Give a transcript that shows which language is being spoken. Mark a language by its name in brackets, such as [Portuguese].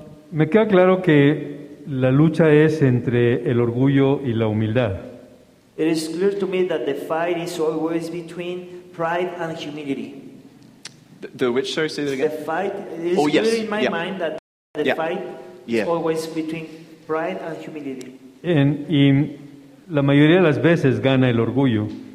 [Spanish] Me queda claro que la lucha es entre el orgullo y la humildad. [English] It is clear to me that the fight is always between pride and humility. The which, sorry, say that again? The fight, it is clear in my mind that the fight is always between pride and humility. [Spanish] Y la mayoría de las veces gana el orgullo.